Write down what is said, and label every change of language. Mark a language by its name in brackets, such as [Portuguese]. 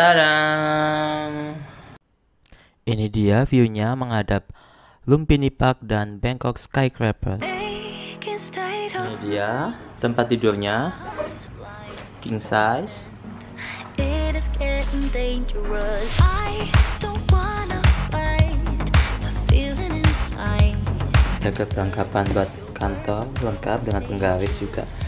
[Indonesian] Tadang. Ini dia view-nya menghadap Lumpini Park dan Bangkok Skyscraper. Ini dia tempat tidurnya. King size. [English] It is getting dangerous. I don't wanna fight. My feeling inside. [Indonesian] Jaga perlengkapan buat kantor lengkap dengan penggaris juga.